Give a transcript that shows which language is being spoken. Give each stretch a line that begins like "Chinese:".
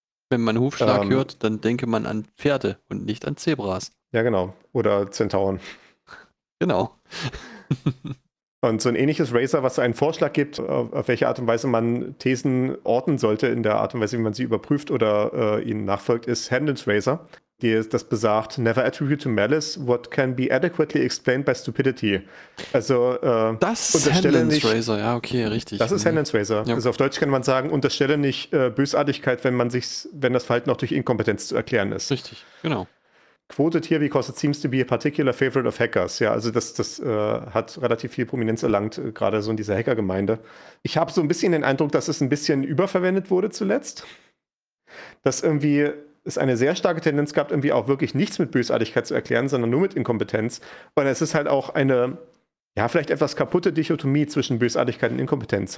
German: Wenn man Hufschlag hört, dann denke man an Pferde und nicht an Zebras. Ja, genau. Oder Zentauren. Genau. Und so ein ähnliches Razor, was einen Vorschlag gibt, auf welche Art und Weise man Thesen orten sollte, in der Art und Weise, wie man sie überprüft oder ihnen nachfolgt, ist Hendon's Razor. Das besagt,
English: never attribute to malice what can be adequately explained by stupidity.
German: Also, das ist Hendon's Razor, ja, okay, richtig. Das ist Hendon's Razor. Ja. Also auf Deutsch kann man sagen, unterstelle nicht Bösartigkeit, wenn das Verhalten auch durch Inkompetenz zu erklären ist. Richtig, genau.
English: Quoted here because it seems to be a particular favorite of hackers.
German: Ja, also das hat relativ viel Prominenz erlangt, gerade so in dieser Hackergemeinde. Ich habe so ein bisschen den Eindruck, dass es ein bisschen überverwendet wurde zuletzt. Dass irgendwie es eine sehr starke Tendenz gab, irgendwie auch wirklich nichts mit Bösartigkeit zu erklären, sondern nur mit Inkompetenz. Und es ist halt auch eine, ja, vielleicht etwas kaputte Dichotomie zwischen Bösartigkeit und Inkompetenz.